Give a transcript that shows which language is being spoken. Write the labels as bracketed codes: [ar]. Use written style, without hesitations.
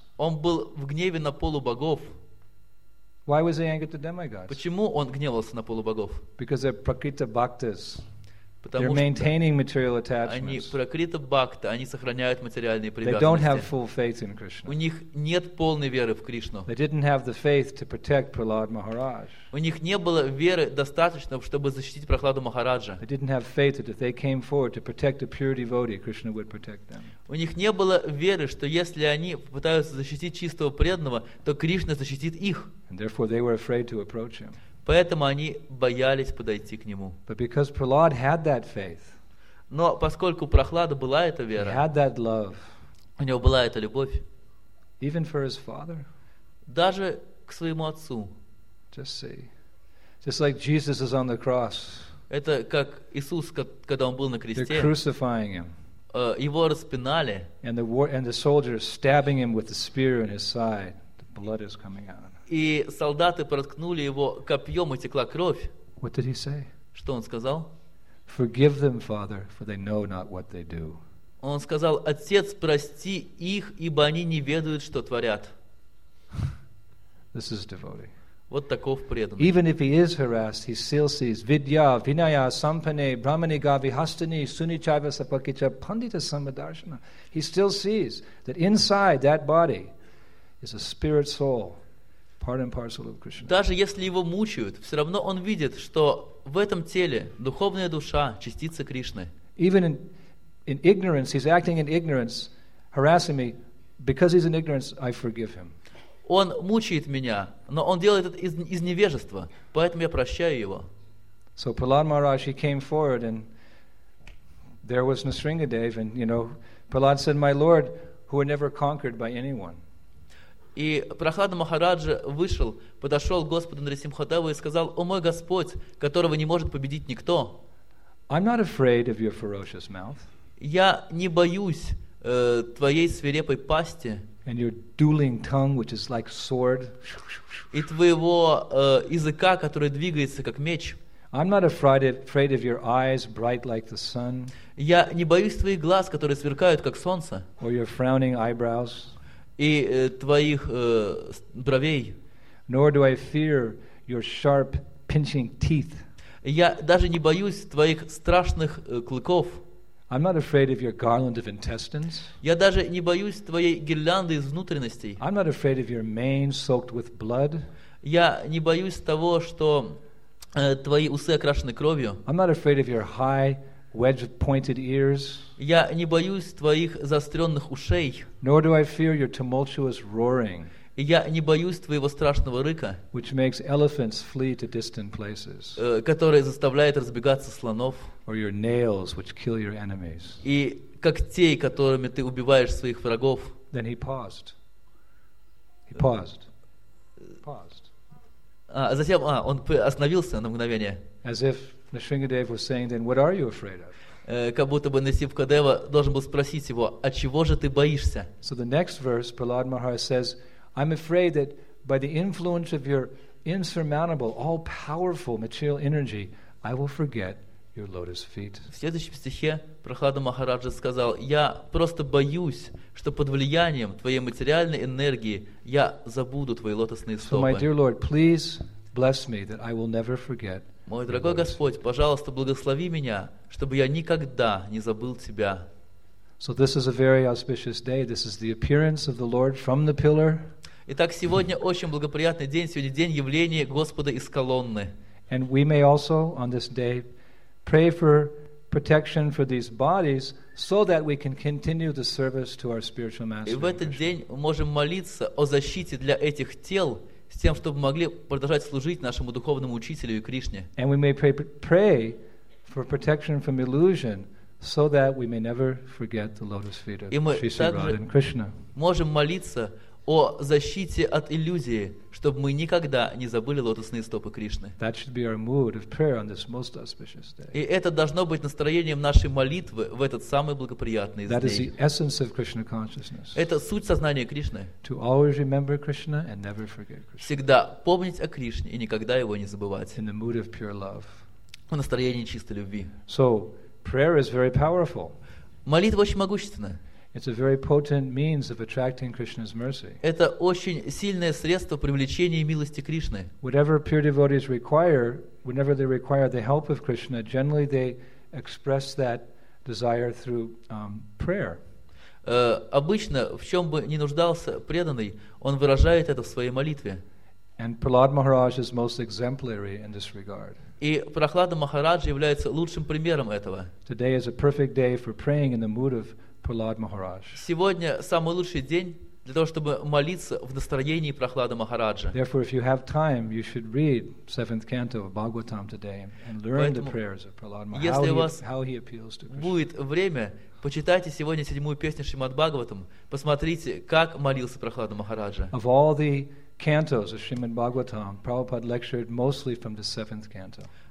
[ru] Он был в гневе на полубогов. [en] Why was he angry at the demigods? [ru] Почему он гневался на полубогов? [en] Because they're prakriti bhaktas. [ru] Потому [en] they're maintaining material attachments. [ru] Они prakriti bhakta, они сохраняют материальные привязанности. [en] They don't have full faith in Krishna. [ru] У них нет полной веры в Кришну. [en] They didn't have the faith to protect Prahlad Maharaj. [ru] У них не было веры достаточно, чтобы защитить Прахладу Махараджа. [en] They didn't have faith that if they came forward to protect a pure devotee, Krishna would protect them. [ru] У них не было веры, что если они пытаются защитить чистого преданного, то Кришна защитит их. [en] And therefore they were afraid to approach him. [ru] Поэтому они боялись подойти к нему. [en] But because Prahlad had that faith, [ru] но поскольку у Прахлады была эта вера, [en] he had that love, [ru] у него была эта любовь, [en] even for his father, [ru] даже к своему отцу. [en] Just see. Just like Jesus is on the cross, [ru] это как Иисус, когда он был на кресте, [en] they're crucifying him. [ru] Его распинали, [en] and the soldiers stabbing him with the spear in his side, the blood is coming out. [ru] И солдаты проткнули его копьем, и текла кровь. [en] What did he say? [ru] Что он сказал? [en] Forgive them, Father, for they know not what they do. [ru] Он сказал: «Отец, прости их, ибо они не ведают, что творят». [en] This is devotee. [ru] Вот таков преданный. [en] Even if he is harassed, he still sees [sa] Vidya, Vinaya, Sampane, Brahmani Gavi, Hastani, Sunichaiva Sapakicha, Pandita Samadarshana. [en] He still sees that inside that body is a spirit soul. Part and parcel of Krishna. [ru] Даже если его мучают, все равно он видит, что в этом теле духовная душа, частица Кришны. [en] Even in ignorance, he's acting in ignorance, harassing me. Because he's in ignorance, I forgive him. [ru] Он мучает меня, но он делает это из невежества, поэтому я прощаю его. [en] So Prahlad Maharaj, he came forward, and there was Nisringadev, and you know, Prahlad said, "My Lord, who are never conquered by anyone." [ru] И Прахлада Махараджа вышел, подошел к Господу Нарисимхадеву и сказал: «О мой Господь, которого не может победить никто, [en] I'm not afraid of your ferocious mouth. [ru] Я не боюсь твоей свирепой пасти [en] and your dueling tongue, which is like sword. [ru] И твоего языка, который двигается как меч. [en] I'm not afraid of your eyes, bright like the sun. [ru] Я не боюсь твоих глаз, которые сверкают как солнце. [en] Or your frowning eyebrows. [ru] И твоих бровей. [en] Nor do I fear your sharp pinching teeth. [ru] Я даже не боюсь твоих страшных клыков. [en] I'm not afraid of your garland of intestines. [ru] Я даже не боюсь твоей гирлянды из внутренностей. [en] I'm not afraid of your mane soaked with blood. [ru] Я не боюсь того, что твои усы окрашены кровью. [en] I'm not afraid of your high wedged pointed ears. [ru] Я не боюсь твоих заостренных ушей. [en] Nor do I fear your tumultuous roaring. [ru] Я не боюсь твоего страшного рыка, [en] which makes elephants flee to distant places. [ru] Который заставляет разбегаться слонов. [en] Or your nails, which kill your enemies. [ru] И когтей, которыми ты убиваешь своих врагов. [en] Then he paused. He paused. Paused. [ru] Он остановился на мгновение. [en] As if Nisringadev was saying, "Then what are you afraid of?" [ru] Как будто бы Нисивкадева должен был спросить его: "А чего же ты боишься?" [en] So the next verse, Prahlad Maharaj says, "I'm afraid that by the influence of your insurmountable, all-powerful material energy, I will forget your lotus feet." [ru] В следующем стихе Прахлада Махараджа сказал: "Я просто боюсь, что под влиянием твоей материальной энергии я забуду твои лотосные стопы." [en] So my dear Lord, please bless me that I will never forget. [ru] Мой дорогой Господь, пожалуйста, благослови меня, чтобы я никогда не забыл Тебя. [en] So this is a very auspicious day. This is the appearance of the Lord from the pillar. [ru] Итак, сегодня очень благоприятный день. Сегодня день явления Господа из колонны. [en] And we may also on this day pray for protection for these bodies, so that we can continue the service to our spiritual master. [ru] И в этот день мы можем молиться о защите для этих тел, с тем, чтобы могли продолжать служить нашему духовному учителю и Кришне. [en] And we may pray for protection from illusion, so that we may never forget the lotus feet of Sri Radha and Krishna. [ru] И мы также можем молиться о защите от иллюзии, чтобы мы никогда не забыли лотосные стопы Кришны. [en] That should be our mood of prayer on this most auspicious day. [ru] И это должно быть настроением нашей молитвы в этот самый благоприятный день. [en] That is the essence of Krishna consciousness. [ru] Это суть сознания Кришны. [en] To always remember Krishna and never forget Krishna. [ru] Всегда помнить о Кришне и никогда его не забывать. [en] In the mood of pure love. [ru] настроении чистой любви. [en] So, prayer is very powerful. [ru] Молитва очень могущественна. [en] It's a very potent means of attracting Krishna's mercy. [ru] Это очень сильное средство привлечения милости Кришны. [en] Whatever pure devotees require, whenever they require the help of Krishna, generally they express that desire through prayer. [ru] Обычно, в чем бы ни нуждался преданный, он выражает это в своей молитве. [en] And Prahlad Maharaj is most exemplary in this regard. [ru] И Прахлада Махарадж является лучшим примером этого. [en] Today is a perfect day for praying in the mood of Prahlad Maharaj. [ru] Сегодня самый лучший день для того, чтобы молиться в настроении Прахлада Махараджа. [en] Therefore, if you have time, you should read seventh canto of Bhagavatam today and learn the prayers of Prahlad Maharaj. How he appeals to Krishna. [ru] Будет время, почитайте сегодня седьмую песню Шримад Бхагаватам, посмотрите, как молился Прахлада Махараджа. [en] Of all the cantos of Shrimad Bhagavatam, Prabhupada lectured mostly from the seventh canto.